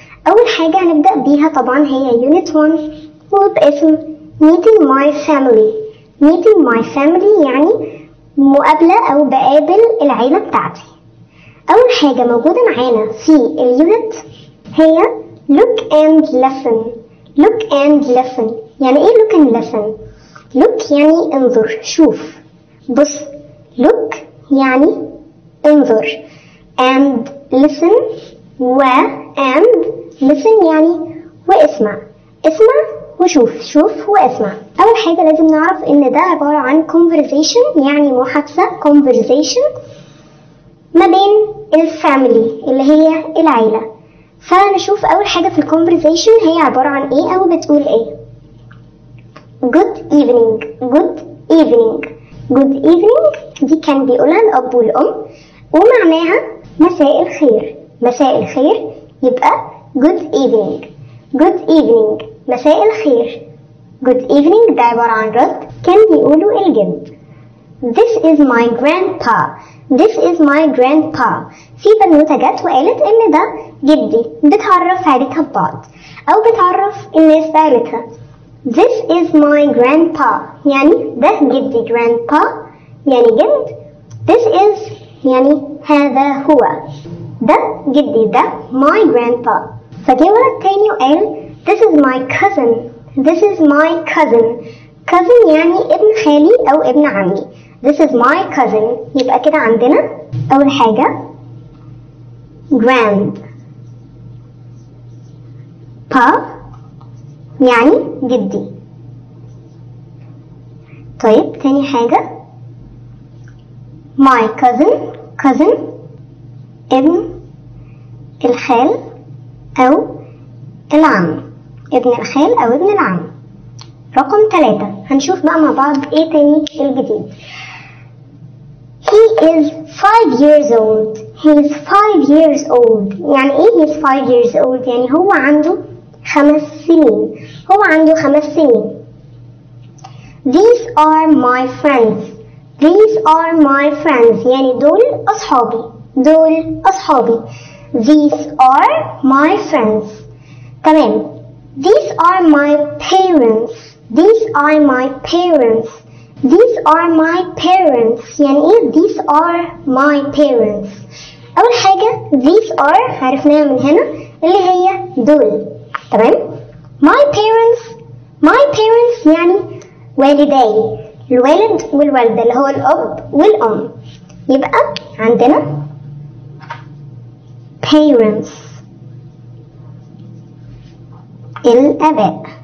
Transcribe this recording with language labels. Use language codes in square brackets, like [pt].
[ar] أول حاجة هنبدأ بيها طبعا هي يونت 1 وباسم [en] Meeting My Family. Meeting My Family [ar] يعني مقابلة أو بقابل العيلة بتاعتي. أول حاجة موجودة معانا في اليونت هي [en] Look and Listen. Look and Listen [ar] يعني إيه Look and Listen؟ Look يعني انظر، شوف، بص. Look يعني انظر، [en] and listen [ar] و and listen يعني واسمع، اسمع وشوف، شوف واسمع. اول حاجة لازم نعرف ان ده عبارة عن conversation يعني محادثة، conversation ما بين الفاميلي اللي هي العيلة. فنشوف اول حاجة في conversation هي عبارة عن ايه او بتقول ايه. [en] good evening، good evening، good evening [ar] دي كان بيقولها الاب والام ومعناها مساء الخير. مساء الخير يبقى [en] good evening، good evening [ar] مساء الخير. [en] good evening [ar] ده عبارة عن رد كان بيقوله الجد. [en] this is my grandpa، this is my grandpa. [ar] في بنوتة جت وقالت ان ده جدي، بتعرف عيلتها ببعض او بتعرف الناس بعيلتها. [en] this is my grandpa [ar] يعني ده جدي، grandpa يعني جد، [en] this is [ar] يعني هذا هو، ده جدي، ده [en] my grandpa. [ar] فجي ولد تاني وقال [en] this is my cousin، this is my cousin. [ar] cousin يعني ابن خالي او ابن عمي، [en] this is my cousin. [ar] يبقى كده عندنا اول حاجة grand pa يعني جدي. طيب تاني حاجة my cousin، cousin ابن الخال او العم، ابن الخال او ابن العم. رقم 3 هنشوف بقى مع بعض ايه تاني الجديد. [en] he is 5 years old، he is 5 years old [ar] يعني ايه [en] he is 5 years old؟ [ar] يعني هو عنده 5 سنين، [en] هو عنده 5 سنين. these are my friends، these are my friends [ar] يعني دول اصحابي، دول اصحابي. [en] these are my friends. [ar] تمام. [en] these are my parents، these are my parents، these are my parents [ar] يعني ايه [en] these are my parents؟ [ar] اول حاجه these are عرفناها من هنا اللي هي دول. تمام. [en] my parents، my parents [ar] يعني والدي، الوالد والوالدة اللي هو الأب والأم. يبقى عندنا [en] parents [ar] الآباء.